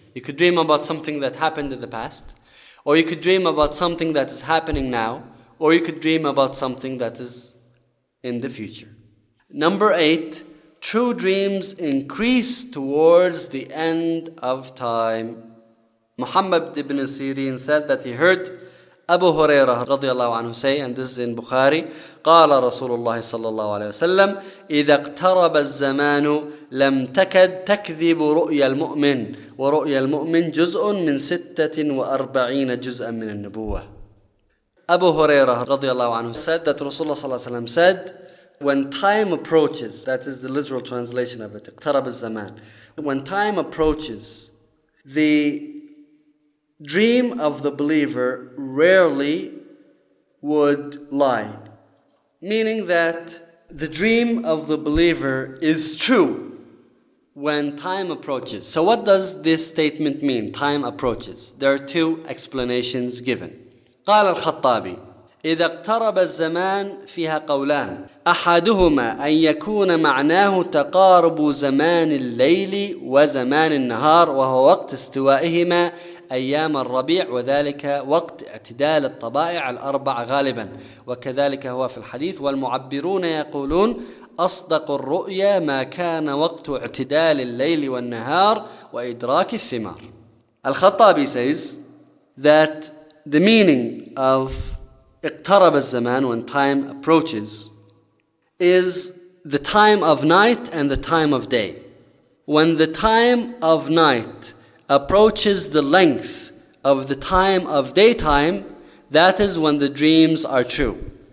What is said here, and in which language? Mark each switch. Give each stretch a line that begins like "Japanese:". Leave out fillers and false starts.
English: You could dream about something that happened in the past, or you could dream about something that is happening now, or you could dream about something that is in the future. Number 8, true dreams increase towards the end of time.
Arabic: Muhammad ibn Sirin said that he heard Abu Hurairah radiallahu anhu say, and this is in Bukhari, قال رسول الله صلى الله عليه وسلم إذا اقترب الزمان لم تكد تكذب رؤيا المؤمن ورؤيا المؤمن جزء من 46 جزءا من النبوة.
English: Abu Hurairah radiallahu anhu said that Rasulullah صلى الله عليه وسلم said, when time approaches, that is the literal translation of it, اقترب الزمان, when time approaches, the dream of the believer rarely would lie. Meaning that the dream of the believer is true when time approaches. So what does this statement mean, time approaches? There are two explanations given.
Arabic: قال الخطابي إذا اقترب الزمان فيها قولان أحدهما أن يكون معناه تقارب زمان الليل وزمان النهار وهو وقت استوائهما أيام الربيع وذلك وقت اعتدال الطبائع الأربع غالبا وكذلك هو في الحديث والمعبرون يقولون أصدق الرؤيا ما كان وقت اعتدال الليل والنهار وإدراك الثمار.
English: الخطابي says that the meaning of اقترب الزمان, when time approaches, is the time of night and the time of day. When the time of night approaches the length of the time of daytime, that is when the dreams are true.